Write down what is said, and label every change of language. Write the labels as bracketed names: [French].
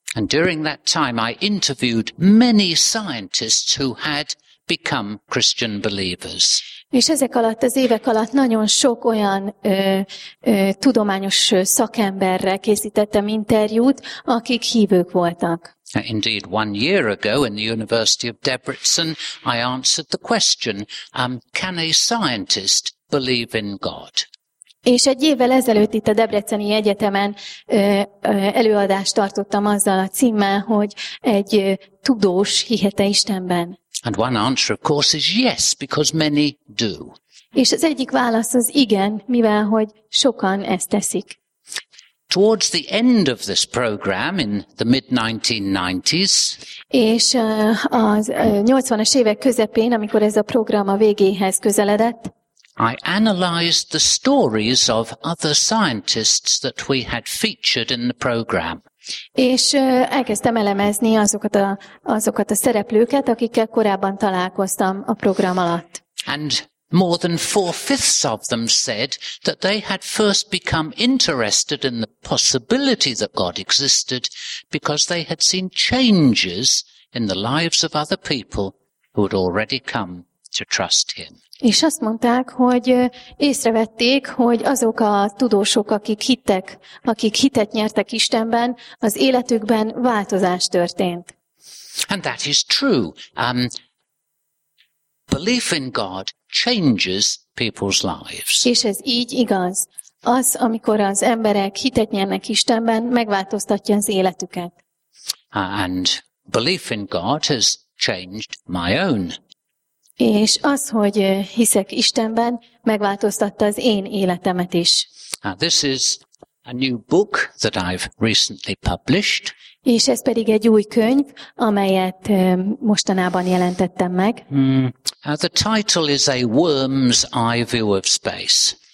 [English] And during that time I interviewed many scientists who had become Christian believers. [Hungarian] És ezek alatt az évek alatt nagyon sok olyan tudományos szakemberrel készítettem interjút, akik hívők voltak. [English] Indeed, one year ago in the University of Debrecen, I answered the question, can a scientist believe in God? [Hungarian] És egy évvel ezelőtt itt a Debreceni Egyetemen előadást tartottam azzal a címmel, hogy egy tudós hihet-e Istenben. [English] And one answer, of course, is yes, because many do. [Hungarian] És az egyik válasz az igen, mivel hogy sokan ezt teszik. [English] Towards the end of this program in the mid-1990s. [Hungarian] És az 80-as évek közepén, amikor ez a program a végéhez közeledett. [English] I analyzed the stories of other scientists that we had featured in the program. [Hungarian] És elkezdtem elemezni azokat a szereplőket, akikkel korábban találkoztam a program alatt. [English] And more than 4/5 of them said that they had first become interested in the possibility that God existed because they had seen changes in the lives of other people who had already come to trust him. [Hungarian] És azt mondták, hogy észrevették, hogy azok a tudósok, akik hitet nyertek Istenben, az életükben változás történt. [English] And that is true. Belief in God changes people's lives. [Hungarian] És ez így igaz. Az, amikor az emberek hitet nyernek Istenben, megváltoztatja az életüket. [English] And belief in God has changed my own. [Hungarian] És az, hogy hiszek Istenben, megváltoztatta az én életemet is. [English] This is a new book that I've recently published. [Hungarian] És ez pedig egy új könyv, amelyet mostanában jelentettem meg. [English] The title is A Worm's Eye View of Space.